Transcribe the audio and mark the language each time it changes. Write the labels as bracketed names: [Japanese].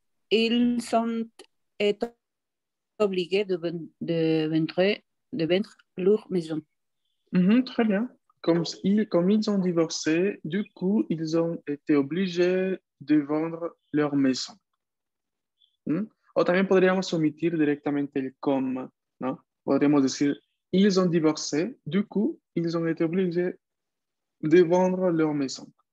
[French] Ils sont obligés de vendre leur maison. Très bien. Comme ils ont divorcé, du coup, ils ont été obligés de vendre leur maison. [Spanish] O también podríamos omitir directamente el comme, ¿no? Podríamos decir, [French] ils ont divorcé, du coup, ils ont été obligés de vendre leur maison.